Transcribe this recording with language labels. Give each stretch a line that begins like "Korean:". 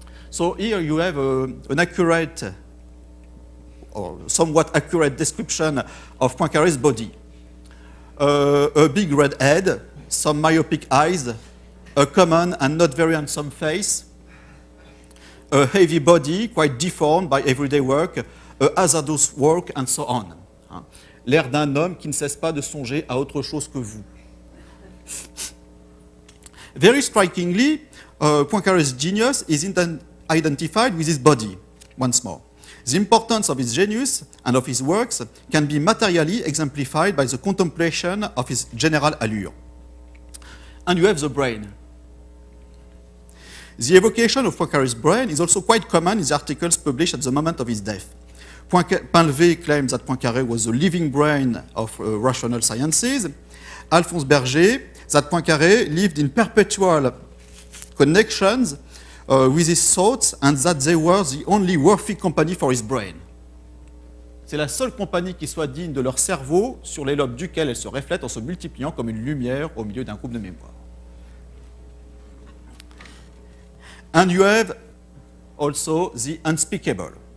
English: So here you have an accurate, or somewhat accurate description of Poincaré's body. A big red head, some myopic eyes, a common and not very handsome face, a heavy body, quite deformed by everyday work, a hazardous work, and so on.
French: L'air d'un homme qui ne cesse pas de songer à autre chose que vous.
English: Very strikingly, Poincaré's genius is in the identified with his body, once more. The importance of his genius and of his works can be materially exemplified by the contemplation of his general allure. And you have the brain. The evocation of Poincaré's brain is also quite common in the articles published at the moment of his death. Painlevé claims that Poincaré was the living brain of rational sciences. Alphonse Berger, that Poincaré lived in perpetual connections with his thoughts, and that they were the only worthy company for his brain.
French: C'est la seule compagnie qui soit digne de leur cerveau, sur les lobes duquel elle se reflète en se multipliant comme une lumière au milieu d'un groupe de mémoire.
English: And you have also the unspeakable.